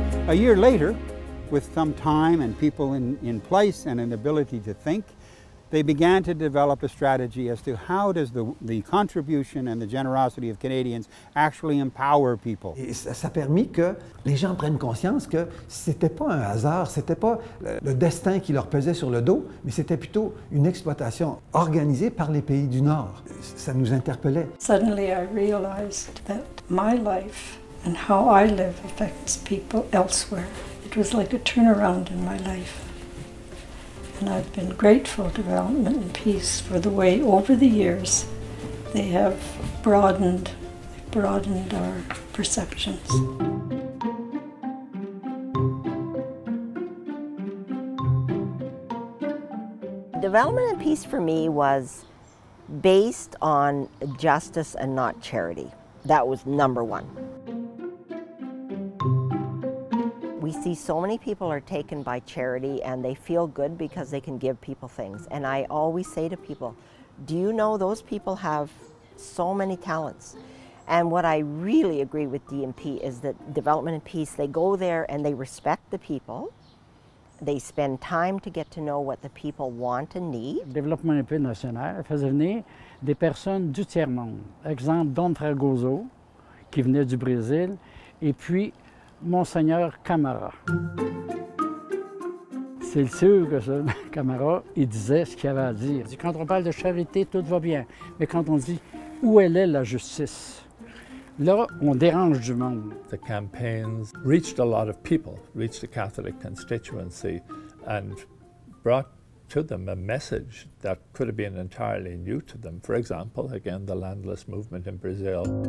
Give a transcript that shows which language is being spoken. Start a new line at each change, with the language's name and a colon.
English: A year later, with some time and people in place and an ability to think, they began to develop a strategy as to how does the contribution and the generosity of Canadians actually empower people.
French: Et ça a permis que les gens prennent conscience que c'était pas un hasard, c'était pas le destin qui leur pesait sur le dos, mais c'était plutôt une exploitation organisée par les pays du Nord. Ça nous interpellait.
English: Suddenly I realized that my life and how I live affects people elsewhere. It was like a turnaround in my life. And I've been grateful to Development and Peace for the way, over the years, they have broadened our perceptions. development and peace for me was based on justice and not charity. That was number one. We see so many people are taken by charity and they feel good because they can give people things. And I always say to people, do you know those people have so many talents? And what I really agree with DMP is that development and peace, they go there and they respect the people. They spend time to get to know what the people want and need.
French: Développement et paix national faisait venir des personnes du tiers monde. Exemple, Don Fragoso, qui venait du Brésil, et puis Monseigneur Camara. C'est sûr que ça, Camara, il disait ce qu'il avait à dire. Il dit, quand on parle de charité, tout va bien. Mais quand on dit, où elle est la justice? Là, on dérange du monde.
English: The campaigns reached a lot of people, reached the Catholic constituency, and brought to them a message that could have been entirely new to them. For example, again, the landless movement in Brazil.